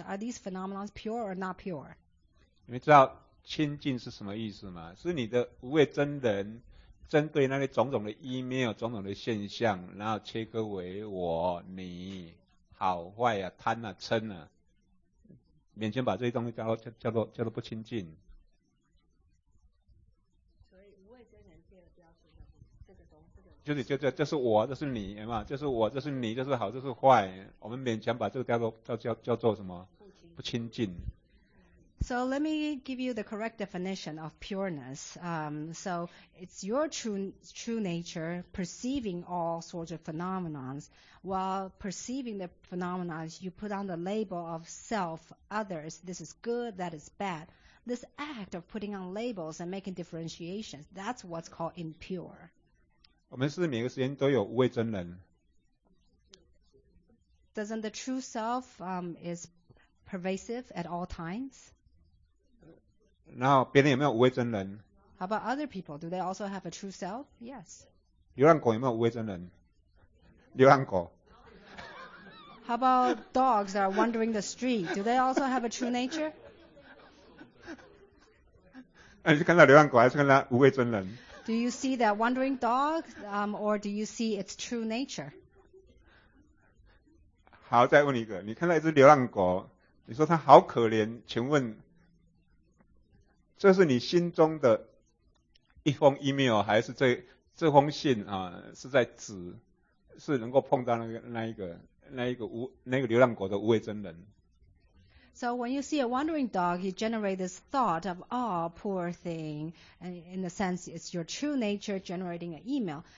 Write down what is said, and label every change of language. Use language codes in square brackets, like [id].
[en] Are these phenomena pure or not pure? [zh] 你们知道清净是什么意思吗？是你的无畏真人针对那些种种的 email、种种的现象，然后切割为我、你。好坏啊，贪啊，嗔啊，勉强把这些东西叫做不清净。所以无畏真人第二标准这个就是就是我，这是你，有没有？就是我，这是你，就是好，这是坏。我们勉强把这个叫做什么？不清净。 [en] So let me give you the correct definition of pureness. So it's your true nature perceiving all sorts of phenomenons. While perceiving the phenomenons, you put on the label of self, others, this is good, that is bad. This act of putting on labels and making differentiations, that's what's called impure. [zh] 我们是每个时间都有无畏真人。 [en] Doesn't the true self is pervasive at all times? [zh] 然后别人有没有无畏真人? [en] How about other people? Do they also have a true self? Yes. [zh] 流浪狗有没有无畏真人? 流浪狗。 [en] How about dogs that are wandering the street? Do they also have a true nature? [zh] 那你是看到流浪狗还是看到无畏真人? [en] Do you see that wandering dog, or do you see its true nature? [zh] 好，再问你一个，你看到一只流浪狗，你说它好可怜，请问这是你心中的一封 email 还是 这封信、啊、是在指是能够碰到那个流浪狗的无畏真人。 [en] So when you see a wandering dog, you generate this thought of, oh, poor thing, and in a sense, it's your true nature generating an email.